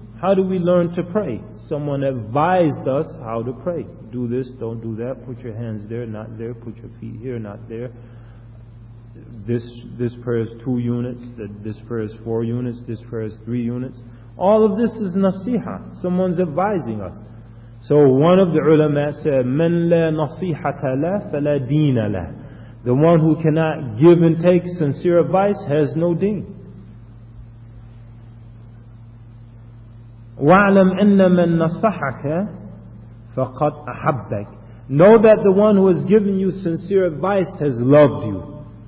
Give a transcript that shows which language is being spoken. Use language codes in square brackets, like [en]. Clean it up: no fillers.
[en] How do we learn to pray? Someone advised us how to pray. Do this, don't do that, put your hands there, not there, put your feet here, not there. This prayer is 2 units, this prayer is 4 units, this prayer is 3 units. All of this is nasiha. Someone's advising us. So one of the ulama said, [ar] من لا نصيحة له فلا دين له. [en] The one who cannot give and take sincere advice has no deen. [ar] وَعْلَمْ أَنَّ مَنْ نَصَحَكَ فَقَدْ أَحَبَّكَ. [en] Know that the one who has given you sincere advice has loved you.